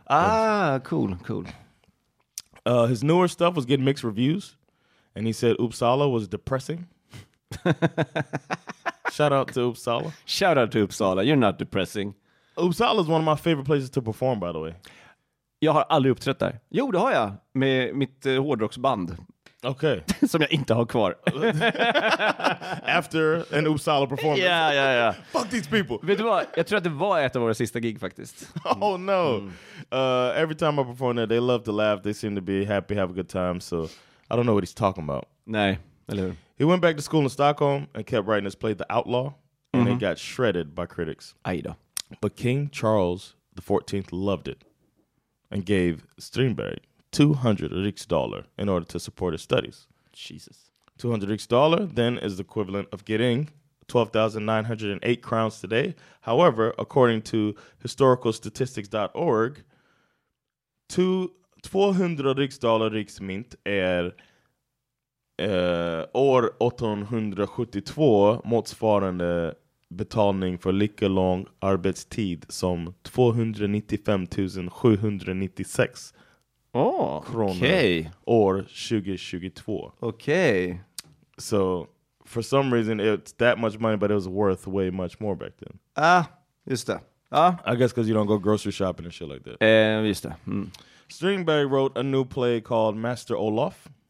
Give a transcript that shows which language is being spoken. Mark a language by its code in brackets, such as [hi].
[en] Ah, that's, cool. His newer stuff was getting mixed reviews, and he said Uppsala was depressing. Shout out to Uppsala. Shout out to Uppsala. You're not depressing. Uppsala is one of my favorite places to perform, by the way. [sv] Jag har aldrig uppträtt där. Jo, det har jag. Med mitt hårdrocksband. Okay. Som jag inte har kvar. [en] After an Uppsala performance. Yeah. Fuck these people. [sv] Vet du vad? Jag tror att det var ett av våra sista gig faktiskt. [en] Oh no. Mm. Every time I perform there, they love to laugh. They seem to be happy, have a good time. So I don't know what he's talking about. [sv] Nej, eller hur? [en] He went back to school in Stockholm and kept writing his play, The Outlaw, and mm-hmm. it got shredded by critics. Aida. But King Charles XIV loved it and gave Strindberg 200 riksdaler in order to support his studies. Jesus. 200 riksdaler then is the equivalent of getting 12,908 crowns today. However, according to historicalstatistics.org, 200 riksdaler riksmynt är... [sv] år 872 motsvarande betalning för lika lång arbetstid som 295,796 kronor okay. År 2022. [en] Okay. So for some reason it's that much money, but it was worth way much more back then. [sv] Ah, just det. Ah. [en] I guess because you don't go grocery shopping and shit like that. [sv] Just det. Mm. [en] Strindberg wrote a new play called Master Olof.